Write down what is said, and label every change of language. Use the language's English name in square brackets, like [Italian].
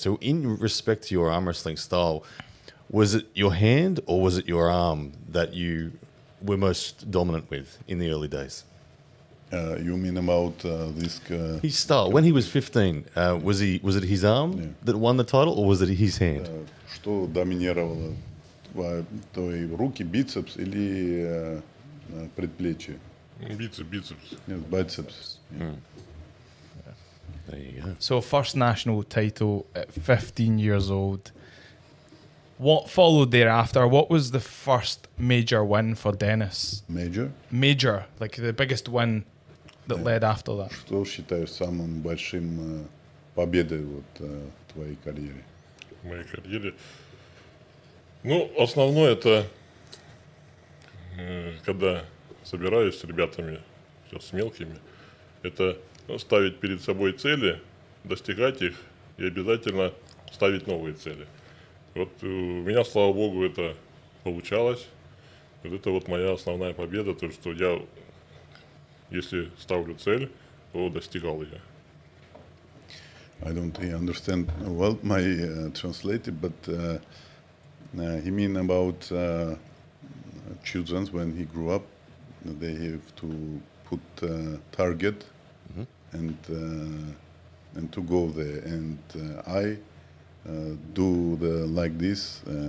[English] So in respect to your arm wrestling style, was it your hand or was it your arm that you were most dominant with in the early days? You mean about this... his style. When he was 15, was it his arm that won the title or was it his hand? [Russian] Что доминировало? Твои руки, бицепс или предплечье? Бицепс. Нет, бицепс. [English] There you go. So first national title at 15 years old. What followed thereafter? What was the first major win for Denis? Major, like the biggest win that led after that. [Russian] Что считаешь самым большим победой вот твоей карьере? В моей карьере. Ну, основное это когда собираюсь с ребятами, все с мелкими, это ставить перед собой цели, достигать их и обязательно ставить новые цели. Вот у меня, слава богу, это получалось. Вот это вот моя основная победа, то, что я, если ставлю цель, то достигал ее. [English] I don't understand well my translator, but he mean about children when he grew up, they have to put a target. And to go there, and I do the like this.